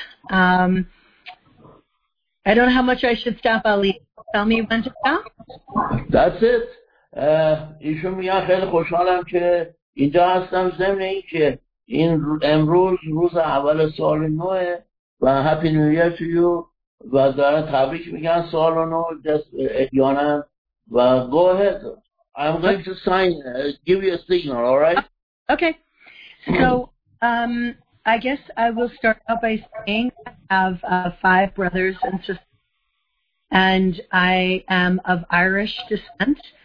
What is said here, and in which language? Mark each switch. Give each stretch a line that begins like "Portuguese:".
English: I don't know how much I should stop, Ali. Tell me when to stop. That's it.
Persian: ایشون میگن خیلی خوشحالم که اینجا هستم، ضمن این که این امروز روز اول سال نوه و
English: happy new year to you
Persian: و دارن تبریک میگن سال نو احیانا و
English: Go ahead. I'm going to sign, give you a signal, alright? Okay, so I guess I will start out by saying I have five brothers and sisters and I am of Irish descent.